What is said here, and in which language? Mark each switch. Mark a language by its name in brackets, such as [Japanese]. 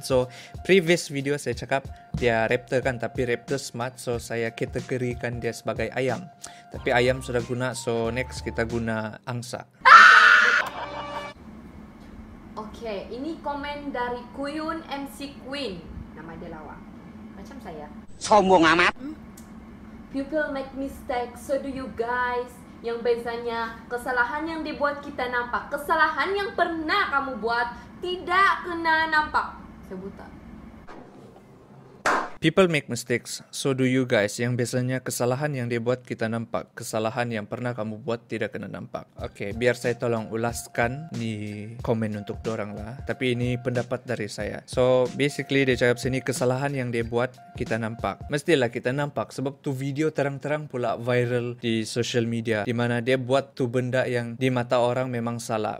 [Malay] So, previous video saya cakap dia raptor kan, tapi raptor smart. So, saya kategorikan dia sebagai ayam. Tapi ayam sudah guna, so next kita guna angsa. Oke, okay, ini komen dari Kuyun MC Queen. Nama dia lawak. Macam saya. Sombong amat. [English] People make mistakes, so do you guys. [Malay] Yang bezanya, kesalahan yang dibuat kita nampak. Kesalahan yang pernah kamu buat, tidak kena nampak. Saya buta. [English] People make mistakes, so do you guys. [Malay] Yang biasanya kesalahan yang dia buat kita nampak, kesalahan yang pernah kamu buat tidak kena nampak. Okay, biar saya tolong ulaskan ni komen untuk dorang lah. Tapi ini pendapat dari saya. So basically dia cakap sini kesalahan yang dia buat kita nampak. Mestilah kita nampak sebab tu video terang-terang pula viral di social media di mana dia buat tu benda yang di mata orang memang salah.